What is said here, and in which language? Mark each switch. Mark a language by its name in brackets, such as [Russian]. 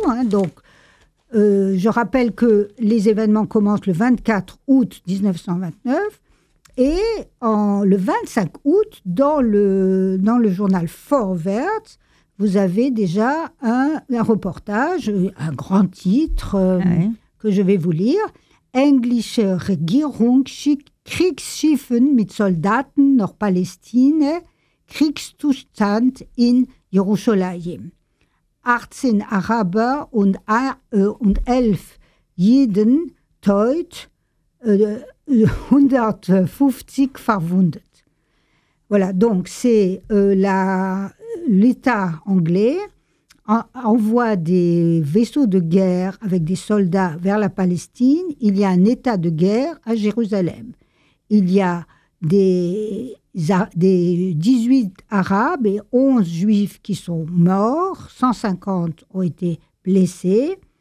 [French] Hein, donc je rappelle que les événements commencent le 24 août 1929 et le 25 août, dans le journal Fort Verte, vous avez déjà un reportage, un grand titre que je vais vous lire. [German] « Englische Regierung schickt Kriegsschiffen mit Soldaten nach Palestine, Kriegszustand in Jerusalem. » 18 Araber und 11 Jiden tot, 150 verwundet. [French] Voilà, donc c'est l'État anglais envoie des vaisseaux de guerre avec des soldats vers la Palestine. Il y a un état de guerre à Jérusalem. Il y a des 18 Arabes et 11 Juifs qui sont morts, 150 ont été blessés.